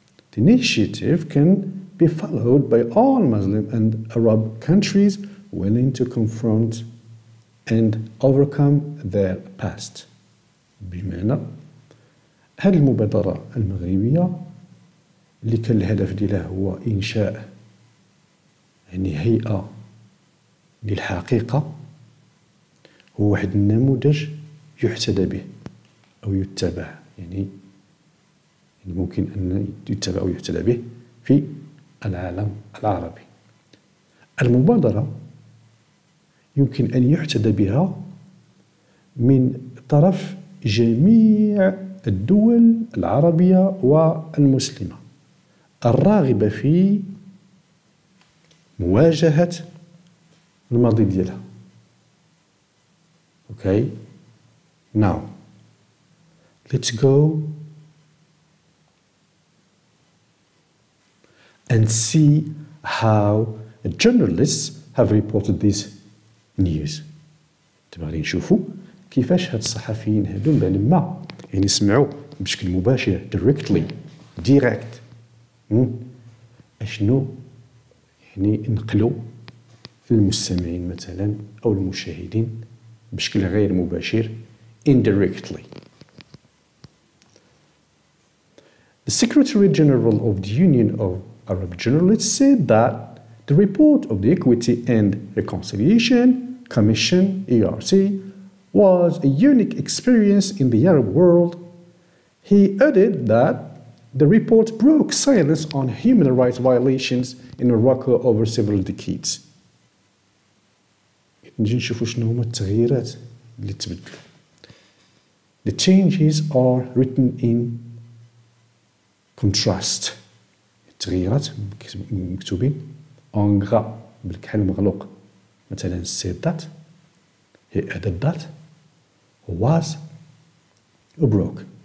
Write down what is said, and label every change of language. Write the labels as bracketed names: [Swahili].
[English] The initiative can be followed by all Muslim and Arab countries willing to confront and overcome their past. [Arabic] بمعنى هذه المبادرة المغربية اللي كان الهدف ديالها هو إنشاء يعني هيئة للحقيقة هو واحد النموذج يحتذى به أو يتبع يعني ممكن أن يتبع أو يحتذى به في العالم العربي. المبادرة يمكن أن يحتذى بها من طرف جميع الدول العربية والمسلمة الراغبة في مواجهة الماضي ديالها. [English] Okay, now let's go and see how journalists have reported this news. [Arabic] تبغي نشوفو كيفاش هاد الصحفيين هادو بعد ما يعني سمعوا بشكل مباشر directly direct اشنو يعني انقلوا للمستمعين مثلا او المشاهدين بشكل غير مباشر indirectly. [English] The Secretary General of the Union of Arab Journalists said that the report of the Equity and Reconciliation Commission ERC was a unique experience in the Arab world. He added that the report broke silence on human rights violations in Morocco over several decades. [Arabic] نجي نشوفوا شنو هما التغييرات اللي تبدلوا. [English] The changes are written in contrast. [Arabic] التغييرات مكتوبين en gras بالكحل مغلوق. [English] مثلا said that he added that was a broke.